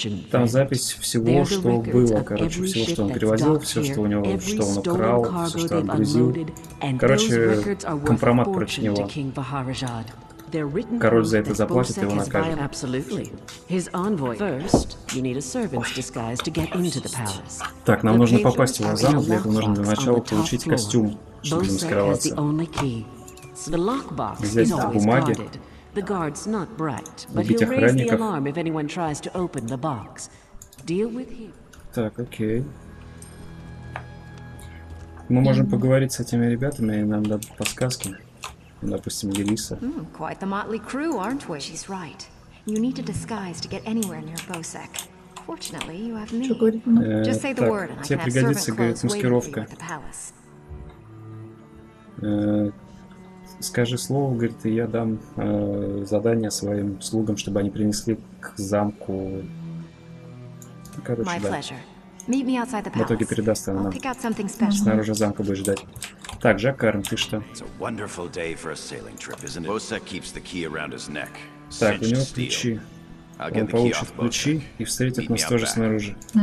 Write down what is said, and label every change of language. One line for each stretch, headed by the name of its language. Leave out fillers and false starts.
Russian: Там запись всего, что было, короче, всего, что он перевозил, все, что у него, что он украл, все, что отгрузил. Короче, компромат против него. Король за это заплатит, его накажет.
English: Absolutely. His envoy. First, you need a servant's disguise to get into the palace.
Russian: Так, нам нужно попасть в замок, для этого нужно для начала получить костюм, чтобы маскироваться. Взять бумаги.
English: The guard's not bright, but he'll raise the alarm if anyone tries to open the box. Deal with him.
Russian: Так, окей. Мы можем поговорить с этими ребятами, и нам дадут подсказки. Допустим, Елиса.
English: Quite the motley crew, aren't we? She's right. You need a disguise to get anywhere near Bosek. Fortunately, you have me. Just say the word, and I can have servant clothes waiting for you at the palace.
Russian: Скажи слово, говорит, и я дам задание своим слугам, чтобы они принесли к замку. Короче, да.
English: Meet me outside the palace.
Russian: В итоге передаст она нам. Снаружи замка будет ждать. Так, Жаккарн, ты что?
English: It's a wonderful day for a sailing trip, isn't it? Bosek keeps the key around his neck.
Russian: Так, у него ключи. Он получит ключи и встретит нас тоже снаружи.